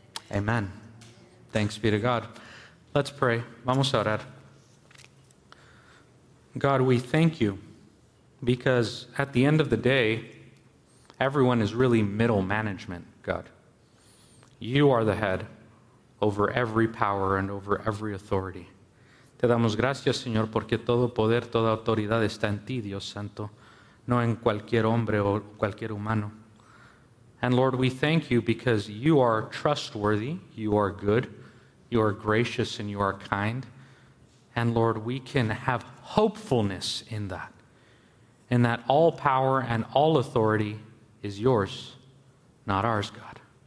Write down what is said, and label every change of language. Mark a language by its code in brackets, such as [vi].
[en] Amen. Thanks be to God. Let's pray. [es] Vamos a orar. [en] God, we thank you because at the end of the day, everyone is really middle management, God. You are the head over every power and over every authority. [es] Te damos gracias, Señor, porque todo poder, toda autoridad está en ti, Dios Santo, no en cualquier hombre o cualquier humano. [en] And Lord, we thank you because you are trustworthy, you are good, you are gracious, and you are kind. And Lord, we can have hopefulness in that all power and all authority is yours, not ours, God.